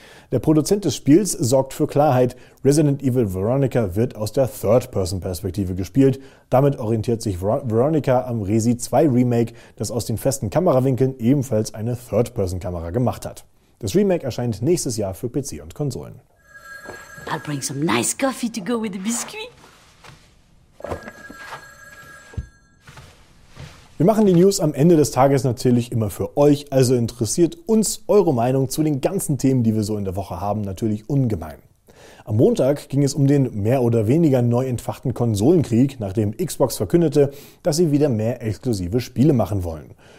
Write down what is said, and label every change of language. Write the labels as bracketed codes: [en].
[de] Der Produzent des Spiels sorgt für Klarheit, Resident Evil Veronica wird aus der Third-Person-Perspektive gespielt. Damit orientiert sich Veronica am Resi 2 Remake, das aus den festen Kamerawinkeln ebenfalls eine Third-Person-Kamera gemacht hat. Das Remake erscheint nächstes Jahr für PC und Konsolen. [en] I'll bring some nice coffee to go with the biscuit. [de] Wir machen die News am Ende des Tages natürlich immer für euch, also interessiert uns eure Meinung zu den ganzen Themen, die wir so in der Woche haben, natürlich ungemein. Am Montag ging es um den mehr oder weniger neu entfachten Konsolenkrieg, nachdem Xbox verkündete, dass sie wieder mehr exklusive Spiele machen wollen.